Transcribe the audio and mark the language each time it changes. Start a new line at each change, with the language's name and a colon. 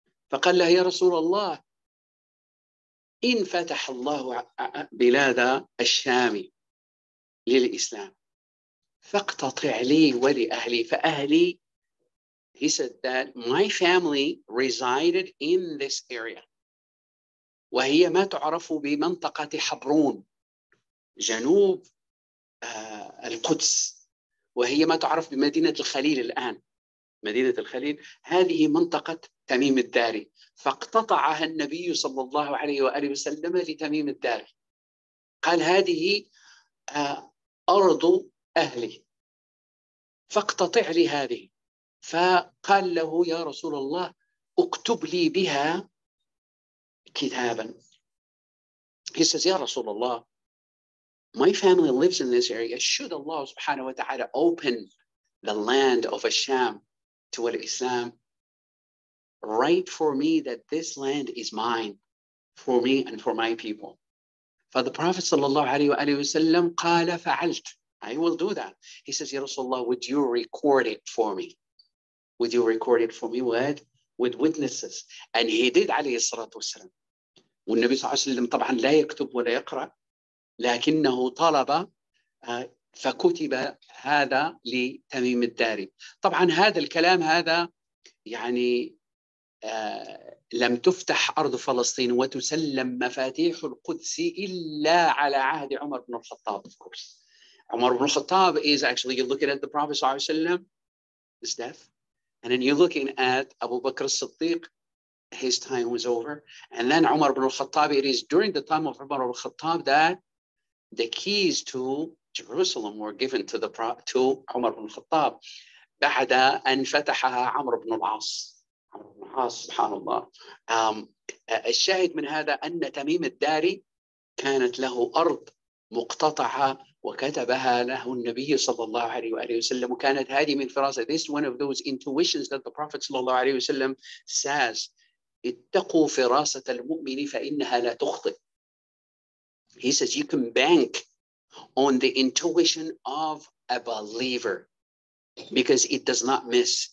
Arabic: فقال له يا رسول الله, إن فتح الله بلاد الشام للإسلام فاقتطع لي ولأهلي فأهلي.
English: He said that my family resided in this area.
Arabic: وهي ما تعرف بمنطقة حبرون, جنوب القدس. وهي ما تعرف بمدينة الخليل الآن. مدينة الخليل هذه منطقة تميم الداري. فاقتطعها النبي صلى الله عليه وآله وسلم لتميم الداري. قال هذه أرض أهلي. فاقتطع لي هذه. فقال له يا رسول الله اكتب لي بها كتابا.
English: He says,
Arabic: يا رسول الله,
English: My family lives in this area. Should Allah subhanahu wa ta'ala open the land of Asham to al-Islam, write for me that this land is mine for me and for my people. For the Prophet sallallahu alayhi wa sallam qala fa'alt. I will do that. He says, Ya Rasulullah, would you record it for me? Would you record it for me with witnesses? And he did, alayhi salatu wasalam. When Nabi sallallahu alayhi wa sallam,
Arabic: طبعاً لا يكتب ولا يقرأ, لكنه طلب فكتب هذا لتميم الداري. طبعاً هذا الكلام هذا يعني لم تفتح أرض فلسطين وتسلم مفاتيح القدس إلا على عهد عمر بن الخطاب.
English: Of course, عمر بن الخطاب is actually, you're looking at the Prophet صلى الله عليه وسلم, his death, and then you're looking at Abu Bakr al-Siddiq, his time was over, and then عمر بن الخطاب. It is during the time of عمر بن الخطاب that the keys to Jerusalem were given to the to عمر بن الخطاب
Arabic: بعد أن فتحها عمر بن العاص. سبحان الله. الشاهد من هذا أن تميم الداري كانت له أرض مقتطعة وكتبها له النبي صلى الله عليه وسلم, وكانت هذه من فراسة.
English: This is one of those intuitions that the Prophet صلى الله عليه وسلم says,
Arabic: اتقوا فراسة المؤمن فإنها لا تخطئ.
English: He says you can bank on the intuition of a believer because it does not miss.